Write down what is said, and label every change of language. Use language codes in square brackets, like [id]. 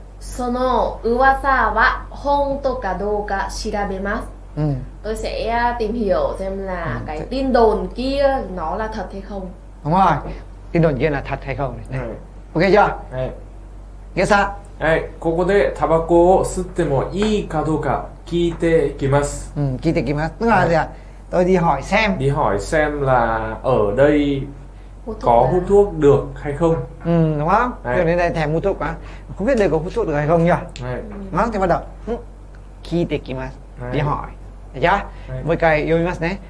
[ja] その噂は本当かどうか調べます。 [vi] Tôi sẽ tìm hiểu xem là cái tin đồn kia nó là thật hay không. Đúng rồi, tin đồn kia là thật hay không. OK chưa? Nghĩa sao? [ja] ここでタバコを吸ってもいいかどうか聞いてきます。聞いてきます。 [vi] Tức là tôi đi hỏi xem. Đi hỏi xem là ở đây có hút thuốc được hay không? Ừ, đúng không? Thế nên đây thèm hút thuốc quá. Không biết đây có hút thuốc được hay không nhỉ? Đúng không? Thì bắt đầu. [ja] Kite kimasu. [vi] Đi hỏi. Được chưa? Một cái yomimasu nhé.